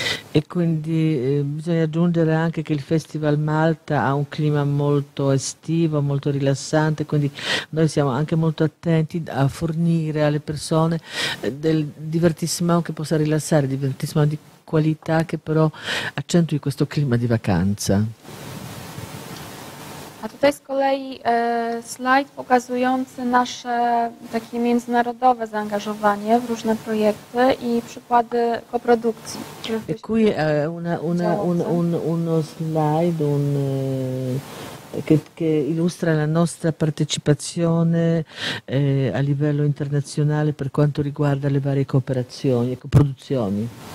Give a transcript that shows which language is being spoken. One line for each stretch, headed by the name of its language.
Italian: E quindi bisogna aggiungere anche che il Festival Malta ha un clima molto estivo, molto rilassante, quindi noi siamo anche molto attenti a fornire alle persone del divertissement che possa rilassare, divertissement di qualità che però accentui questo clima di vacanza.
Polish: A tutaj z kolei slajd pokazujący nasze takie międzynarodowe zaangażowanie w różne projekty i przykłady koprodukcji.
Italian: E qui è uno slide che illustra la nostra partecipazione a livello internazionale per quanto riguarda le varie cooperazioni e coproduzioni.